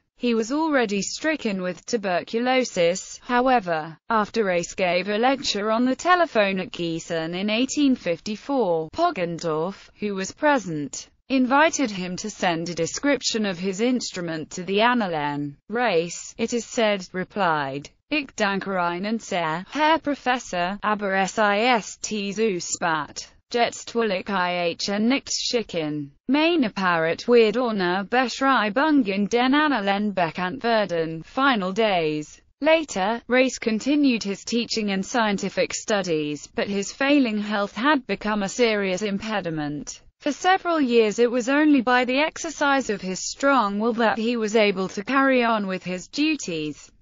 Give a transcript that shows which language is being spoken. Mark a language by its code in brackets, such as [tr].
[en] He was already stricken with tuberculosis, however, after Reis gave a lecture on the telephone at Gießen in 1854, Poggendorf, who was present, invited him to send a description of his instrument to the Annalen. [de] Reis, [en] it is said, replied, [de] "Ich danke Ihnen sehr, Herr Professor, aber es ist zu spät. Jetzt will ich Ihnen nicht schicken. Mein Apparat wird ohne Beschreibung in den Annalen bekannt werden." [en] Final days. Later, Reis continued his teaching and scientific studies, but his failing health had become a serious impediment. For several years it was only by the exercise of his strong will that he was able to carry on with his duties.